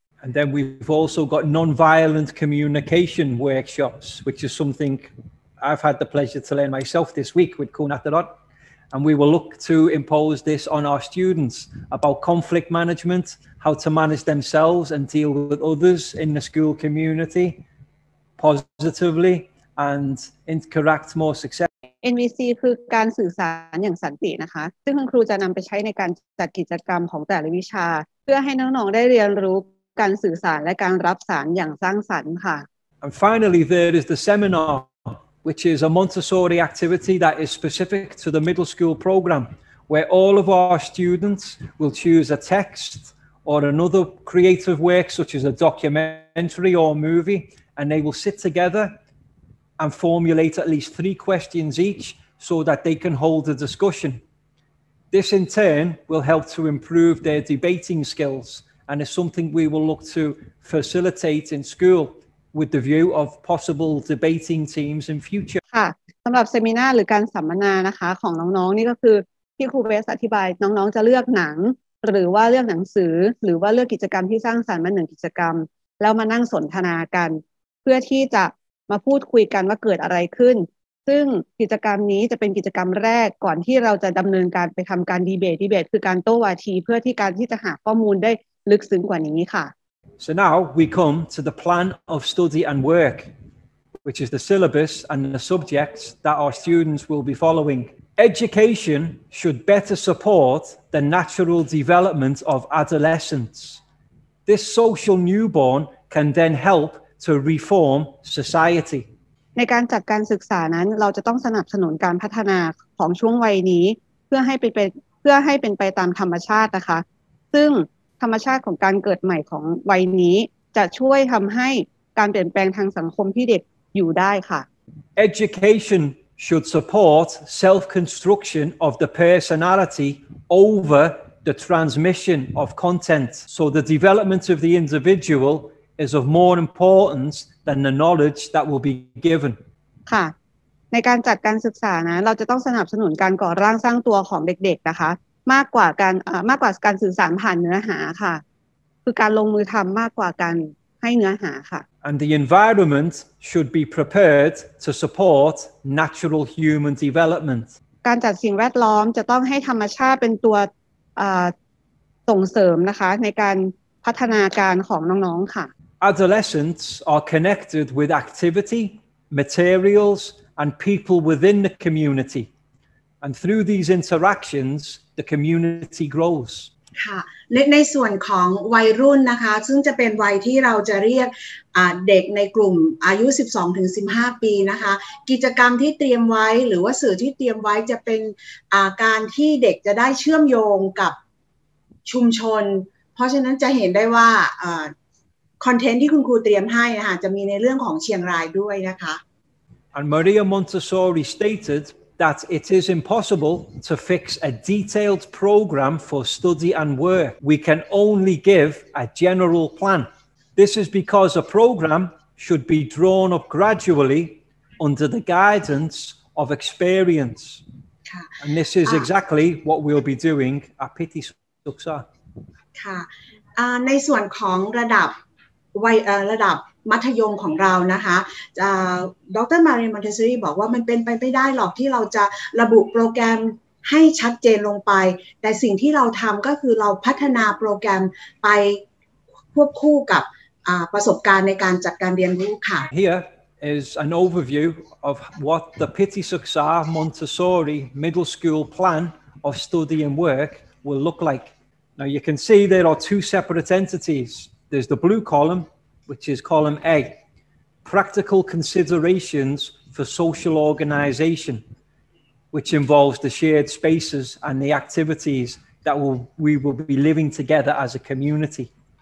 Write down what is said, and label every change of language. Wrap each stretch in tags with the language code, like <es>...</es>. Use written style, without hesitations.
<en>And then we've also got non-violent communication workshops, which is something I've had the pleasure to learn myself this week with Kun Atherot. And we will look to impose this on our students about conflict management, how to manage themselves and deal with others in the school community positively and interact more successfully.</en> <th>NVC คือการสื่อสารอย่างสันตินะคะซึ่งคุณครูจะนำไปใช้ในการจัดกิจกรรมของแต่ละวิชาเพื่อให้น้องๆได้เรียนรู้การสื่อสารและการรับสารอย่างสร้างสรรค์ค่ะ</th> <en>And finally, there is the seminar. Which is a Montessori activity that is specific to the middle school program, where all of our students will choose a text or another creative work, such as a documentary or a movie, and they will sit together and formulate at least 3 questions each so that they can hold a discussion. This in turn will help to improve their debating skills and is something we will look to facilitate in school. With the view of possible debating teams in future.</en> <th>ค่ะสำหรับเซมินาหรือการสัมมนานะคะของน้องๆนี่ก็คือที่ครูเวสอธิบายน้องๆจะเลือกหนังหรือว่าเลือกหนังสือหรือว่าเลือกกิจกรรมที่สร้างสรรค์มาหนึ่งกิจกรรมแล้วมานั่งสนทนากันเพื่อที่จะมาพูดคุยกันว่าเกิดอะไรขึ้นซึ่งกิจกรรมนี้จะเป็นกิจกรรมแรกก่อนที่เราจะดำเนินการไปทำการดีเบตคือการโต้วาทีเพื่อที่การที่จะหาข้อมูลได้ลึกซึ้งกว่านี้ค่ะ</th> <en>So now we come to the plan of study and work, which is the syllabus and the subjects that our students will be following. Education should better support the natural development of adolescents. This social newborn can then help to reform society.</en> <th>ในการจัดการศึกษานั้นเราจะต้องสนับสนุนการพัฒนาของช่วงวัยนี้เพื่อให้เป็นไปตามธรรมชาตินะคะซึ่งธรรมชาติของการเกิดใหม่ของวัยนี้จะช่วยทำให้การเปลี่ยนแปลงทางสังคมที่เด็กอยู่ได้ค่ะ</th> <en>Education should support self-construction of the personality over the transmission of content. So the development of the individual is of more importance than the knowledge that will be given.</en> <th>ค่ะในการจัดการศึกษานะเราจะต้องสนับสนุนการก่อร่างสร้างตัวของเด็กๆนะคะมากกว่าการสื่อสารผ่านเนื้อหาค่ะคือการลงมือทำมากกว่าการให้เนื้อหาค่ะ</th> <en>And the environment should be prepared to support natural human development</en> <th>การจัดสิ่งแวดล้อมจะต้องให้ธรรมชาติเป็นตัวส่งเสริมนะคะในการพัฒนาการของน้องๆค่ะ</th> <en>Adolescents are connected with activity, materials, and people within the community and through these interactionsthe community grows</en> <th>ค่ะในส่วนของวัยรุ่นนะคะซึ่งจะเป็นวัยที่เราจะเรียกเด็กในกลุ่มอายุ12ถึง15ปีนะคะกิจกรรมที่เตรียมไว้หรือว่าสื่อที่เตรียมไว้จะเป็นการที่เด็กจะได้เชื่อมโยงกับชุมชนเพราะฉะนั้นจะเห็นได้ว่าคอนเทนต์ที่คุณครูเตรียมให้นะคะจะมีในเรื่องของเชียงรายด้วยนะคะ</th> <en>And Maria Montessori statedthat it is impossible to fix a detailed program for study and work. We can only give a general plan. This is because a program should be drawn up gradually under the guidance of experience. ค่ะ And this is exactly what we'll be doing at Piti Suksa</en> <th>ค่ะในส่วนของระดับวัยระดับมัธยมของเรานะคะดร. มารีมอนเตสซอรี่บอกว่ามันเป็นไปไม่ได้หรอกที่เราจะระบุโปรแกรมให้ชัดเจนลงไปแต่สิ่งที่เราทำก็คือเราพัฒนาโปรแกรมไปควบคู่กับประสบการณ์ในการจัดการเรียนรู้ค่ะ</th> <en>Here is an overview of what the Piti Suksa Montessori Middle School Plan of Study and Work will look like. Now you can see there are two separate entities. There's the blue column, which is column A, practical considerations for social organization, which involves the shared spaces and the activities that we will be living together as a community.</en>